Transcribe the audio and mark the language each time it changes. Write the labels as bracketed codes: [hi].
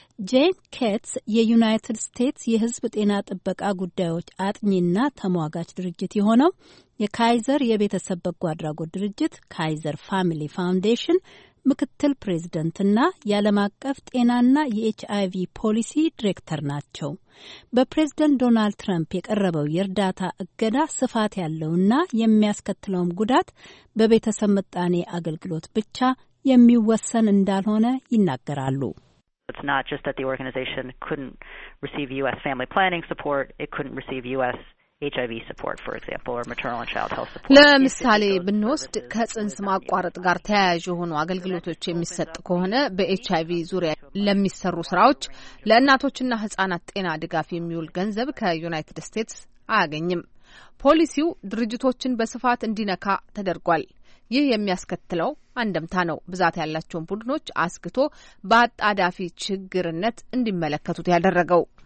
[am] ጄን ኬትስ የዩናይትድ ስቴትስ የሕዝብ ጤና ጥበቃ ጉዳዮች አጥኚና ተሟጋች ድርጅት የሆነው የካይዘር የቤተሰብ በጎ አድራጎት ድርጅት ካይዘር ፋሚሊ ፋውንዴሽን ምክትል ፕሬዝደንትና የዓለም አቀፍ ጤናና የኤችአይቪ ፖሊሲ ዲሬክተር ናቸው። በፕሬዝደንት ዶናልድ ትራምፕ የቀረበው የእርዳታ እገዳ ስፋት ያለውና የሚያስከትለውም ጉዳት በቤተሰብ ምጣኔ አገልግሎት ብቻ የሚወሰን እንዳልሆነ ይናገራሉ። [en] It's not just that the organization couldn't receive US family planning support, it couldn't receive US HIV support, for example, or maternal and child health support. [am] ለምሳሌ ብንወስድ ከጽንስ ማቋረጥ ጋር ተያያዥ የሆኑ አገልግሎቶች የሚሰጥ ከሆነ በHIV ዙሪያ ለሚሰሩ ስራዎች ለእናቶችና ህጻናት ጤና ድጋፍ የሚውል ገንዘብ ከዩናይትድ ስቴትስ አያገኝም። ፖሊሲው ድርጅቶችን በስፋት እንዲነካ ተደርጓል። ይህ የሚያስከትለው አንደምታ ነው። ብዛት ያላቸውን ቡድኖች አስክቶ በአጣዳፊ ችግርነት እንዲመለከቱት ያደረገው